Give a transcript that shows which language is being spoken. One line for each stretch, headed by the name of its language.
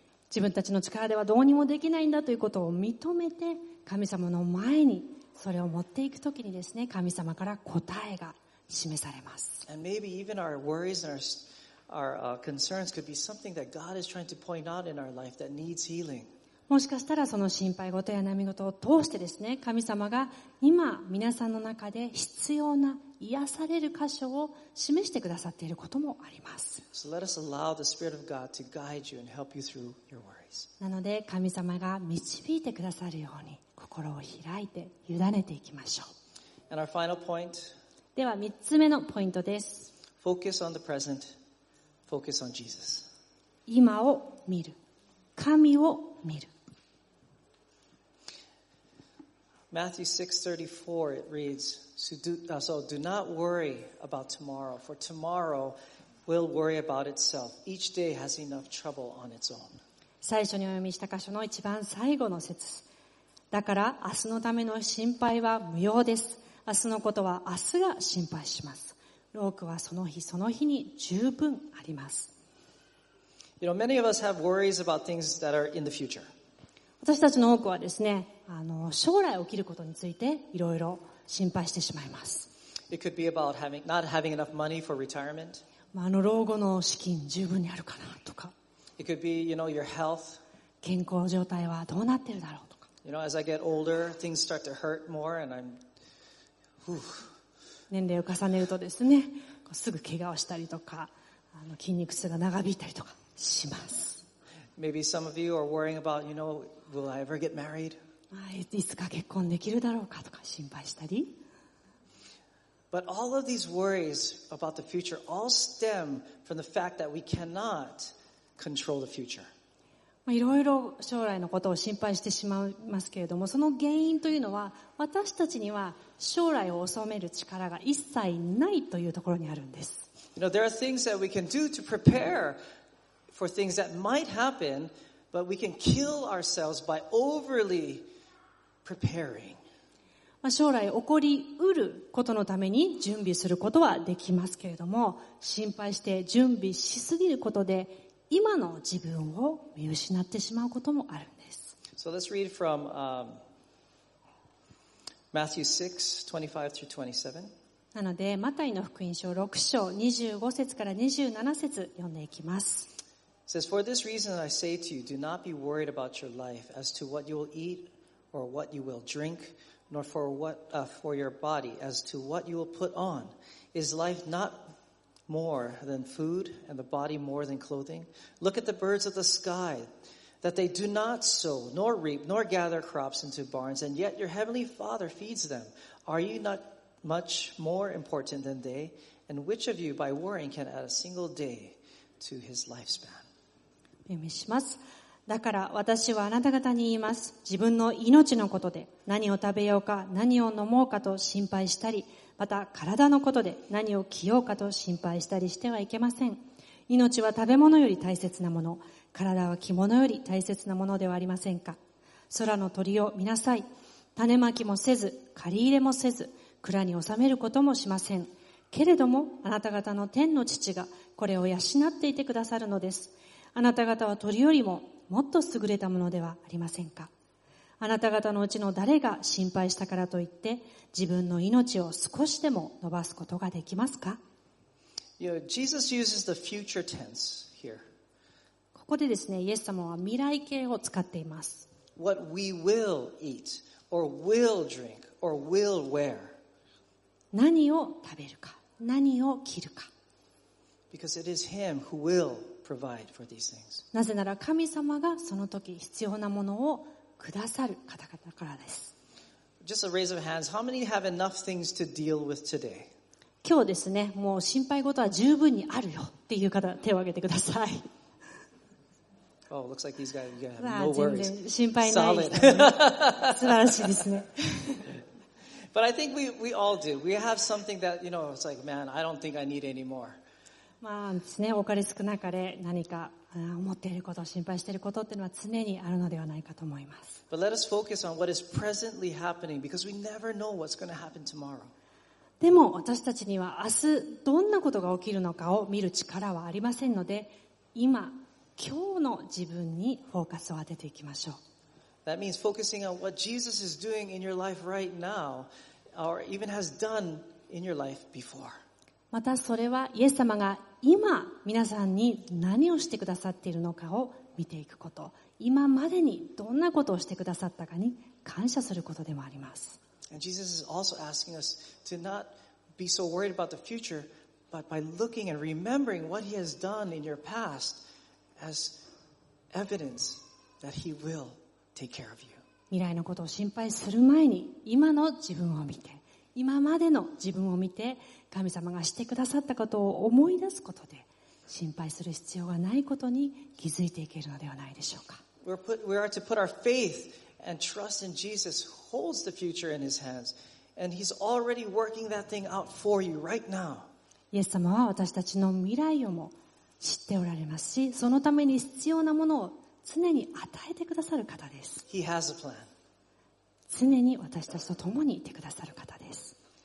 Japanese: 自分たちの力ではどうにもできないんだということを認めて、神様の前にそれを持っていくときにですね、神様から答えが示されます。
English: And maybe even our worries and our concerns could be something that God is trying to point out in our life that needs healing.
Japanese: もしかしたらその心配事や悩み事を通してですね、神様が今皆さんの中で必要な癒される箇所を示してくださっていることもあります。
English: So let us allow the Spirit of God to guide you and help you through your worries.
Japanese: なので神様が導いてくださるように心を開いて委ねていきましょう。
English: And our final point.
Japanese: では三つ目のポイントです。
English: Focus on the present. Focus on Jesus.
Japanese: 今を見る。神を見る。
English: Matthew 6:34 it reads, So do not worry about tomorrow, for tomorrow will worry about itself. Each day has enough trouble on its own.
Japanese: 最初にお読みした箇所の一番最後の節。だから明日のための心配は無用です。明日のことは明日が心配します。労苦はその日その日に十分あります。
English: You know, many of us have worries about things that are in the future.
Japanese: 私たちの多くはですね、将来起きることについていろいろ心配してしまいます。
English: It could be about not having enough money for retirement.
Japanese: 老後の資金十分にあるかなとか。
English: It could be, you know, your health.
Japanese: 健康状態はどうなってるだろうとか。
English: You know, as I get older, things start to hurt more and I'm,
Japanese: 年齢を重ねるとですね、こうすぐ怪我をしたりとか、筋肉痛が長引いたりとか。します。
English: Maybe some of you are worrying about, you know, will I ever get married?
Japanese: いつか結婚できるだろうかとか心配したり。
English: But all of these worries about the future all stem from the fact that we cannot control the future.
Japanese: いろいろ将来のことを心配してしまいますけれども、その原因というのは私たちには将来を収める力が一切ないというところにあるんです。
English: You know, there are things that we can do to prepare. For things that might happen, but we can kill ourselves by overly preparing.
Japanese: 将来起こりうることのために準備することはできますけれども、心配して準備しすぎることで今の自分を見失ってしまうこともあるんです。
English: So let's read from Matthew 6:25-27.
Japanese: なので、マタイの福音書6章25節から27節読んでいきます。
English: says, For this reason I say to you, do not be worried about your life as to what you will eat or what you will drink, nor for what, for your body as to what you will put on. Is life not more than food and the body more than clothing? Look at the birds of the sky, that they do not sow, nor reap, nor gather crops into barns, and yet your heavenly Father feeds them. Are you not much more important than they? And which of you, by worrying, can add a single day to his lifespan?
Japanese: 読みします。だから私はあなた方に言います。自分の命のことで何を食べようか、何を飲もうかと心配したり、また体のことで何を着ようかと心配したりしてはいけません。命は食べ物より大切なもの、体は着物より大切なものではありませんか。空の鳥を見なさい。種まきもせず、刈り入れもせず、蔵に収めることもしません。けれども、あなた方の天の父がこれを養っていてくださるのです。あなた方は鳥よりももっと優れたものではありませんか。あなた方のうちの誰が心配したからといって、自分の命を少しでも伸ばすことができますか。
English: You know, Jesus uses the future tense here.
Japanese: ここでですね、イエス様は未来形を使っています。
English: What we will eat, or will drink, or will wear.
Japanese: 何を食べるか、何を着るか。
English: Because it is him who will provide for these things.
Japanese: なぜなら神様がその時必要なものをくださる方々からです。
English: Just a raise of hands, how many have enough things to deal with today?
Japanese: 今日ですね、もう心配事は十分にあるよっていう方、手を挙げてください。
English: Oh, looks like these guys have no worries.
Japanese: 心配ない。
English: Solid.
Japanese: 素晴らしいですね。
English: But I think we all do. We have something that, you know, it's like, man, I don't think I need anymore.
Japanese: まあですね、多かれ少なかれ何か思っていること、心配していることっていうのは常にあるのではないかと思います。
English: But let us focus on what is presently happening because we never know what's going to happen tomorrow.
Japanese: でも私たちには明日どんなことが起きるのかを見る力はありませんので、今、今日の自分にフォーカスを当てていきましょう。
English: That means focusing on what Jesus is doing in your life right now, or even has done in your life before.
Japanese: またそれはイエス様が今皆さんに何をしてくださっているのかを見ていくこと、今までにどんなことをしてくださったかに感謝することでもあります。
English: And Jesus is also asking us to not be so worried about the future, but by looking and remembering what he has done in your past as evidence that he will take care of you.
Japanese: 未来のことを心配する前に、今の自分を見て、今までの自分を見て、神様がしてくださったことを思い出すことで、心配する必要がないことに気づいていけるのではないでしょうか。
English: We are to put our faith and trust in Jesus. Holds the future in his hands, and he's already working that thing out for you right now.
Japanese: イエス様は私たちの未来をも知っておられますし、そのために必要なものを常に与えてくださる方です。
English: He has a plan.
Japanese: 常に私たちと共にいてくださる方です。